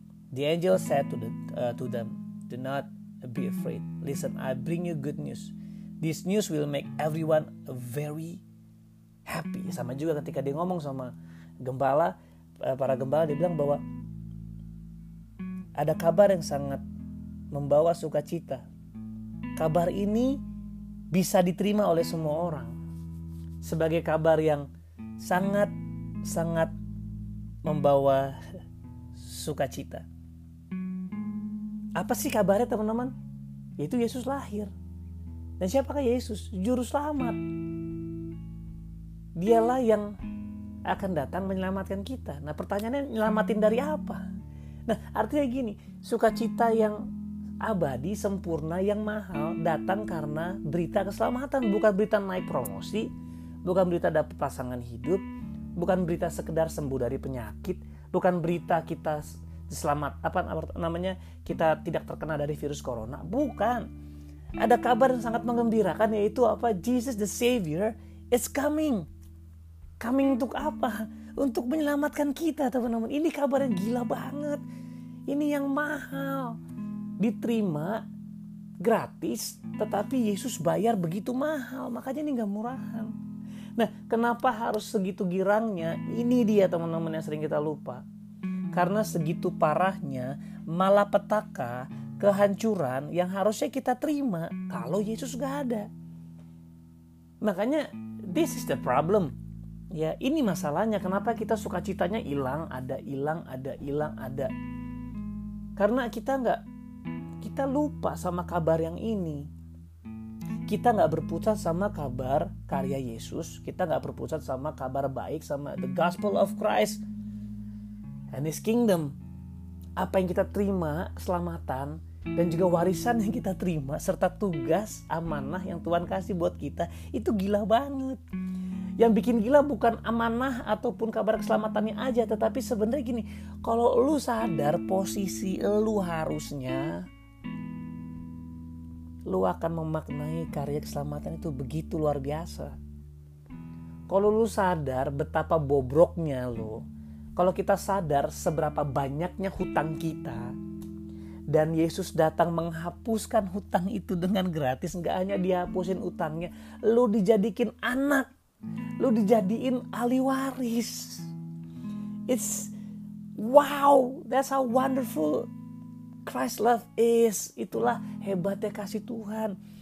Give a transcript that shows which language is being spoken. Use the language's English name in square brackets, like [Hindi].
[English] The angel said to them, do not be afraid. Listen, I bring you good news. This news will make everyone very happy. [Indonesian] Sama juga ketika dia ngomong sama gembala, para gembala, dia bilang bahwa ada kabar yang sangat membawa sukacita. Kabar ini bisa diterima oleh semua orang sebagai kabar yang sangat-sangat membawa sukacita. Apa sih kabarnya teman-teman? Yaitu Yesus lahir. Dan siapakah Yesus? Juru selamat. Dialah yang akan datang menyelamatkan kita. Nah pertanyaannya, nyelamatin dari apa? Nah artinya gini, sukacita yang abadi, sempurna, yang mahal datang karena berita keselamatan. Bukan berita naik promosi, bukan berita dapat pasangan hidup, bukan berita sekedar sembuh dari penyakit, bukan berita kita selamat, kita tidak terkena dari virus corona. Bukan. Ada kabar yang sangat menggembirakan, yaitu apa? [English] Jesus the Savior is coming. [Indonesian] Coming untuk apa? Untuk menyelamatkan kita, teman-teman. Ini kabar yang gila banget. Ini yang mahal. Diterima gratis, tetapi Yesus bayar begitu mahal. Makanya ini gak murahan. Nah, kenapa harus segitu girangnya? Ini dia, teman-teman, yang sering kita lupa. Karena segitu parahnya malapetaka, kehancuran yang harusnya kita terima kalau Yesus gak ada. Makanya [English] this is the problem. [Indonesian] Ya, ini masalahnya, kenapa kita sukacitanya hilang, ada hilang, ada hilang, ada. Karena kita lupa sama kabar yang ini. Kita gak berpusat sama kabar karya Yesus. Kita gak berpusat sama kabar baik, sama [English] the gospel of Christ and his kingdom. [Indonesian] Apa yang kita terima, keselamatan dan juga warisan yang kita terima, serta tugas amanah yang Tuhan kasih buat kita, itu gila banget. Yang bikin gila bukan amanah ataupun kabar keselamatannya aja, tetapi sebenarnya gini, kalau lu sadar posisi lu harusnya, lu akan memaknai karya keselamatan itu begitu luar biasa. Kalau lu sadar betapa bobroknya lu, kalau kita sadar seberapa banyaknya hutang kita, dan Yesus datang menghapuskan hutang itu dengan gratis, gak hanya dihapusin utangnya, lu dijadikin anak, lu dijadiin ahli waris. [English] It's wow, that's how wonderful Christ love is. [Indonesian] Itulah hebatnya kasih Tuhan.